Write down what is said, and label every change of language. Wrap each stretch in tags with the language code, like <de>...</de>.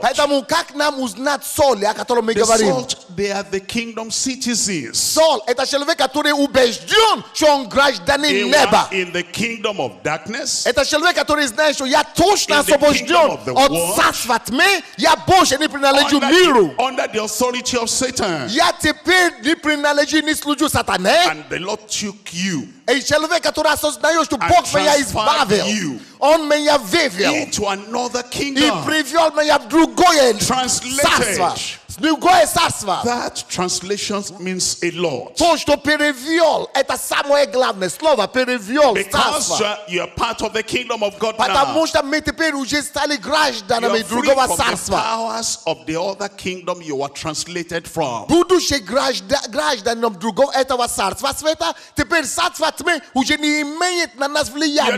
<ru>Поэтому как нам узнать соль, о котором мы говорим?</ru> <en>The salt, they are the kingdom citizens.</en> <ru>Соль это человек, который убежден, что он гражданин неба.</ru> <en>In the kingdom of darkness.</en> <ru>Это человек, который знает, что я точно освобожден от царства тьмы. Я больше не принадлежу миру.</ru> <en>Under the authority of Satan.</en> <ru>Я теперь не принадлежу, не служу сатане.</ru> <en>And the Lord took you.</en> <ru>И человек, который осознает, что Бог меня избавил. Он меня вывел.</ru> <en>Into another kingdom.</en> <ru>И привел меня в другое царство.</ru> <en>That translation means a lot.</en> <ru>То, что перевел, это самое главное слово, перевел, царство.</ru> <en>Because you are part of the kingdom of God now.</en> <ru>Потому что мы теперь уже стали гражданами другого царства.</ru> <en>You are free from the powers of the other kingdom you were translated from.</en> <ru>Будучи гражданином другого этого царства света, теперь царство тьмы уже не имеет на нас влияния.</ru>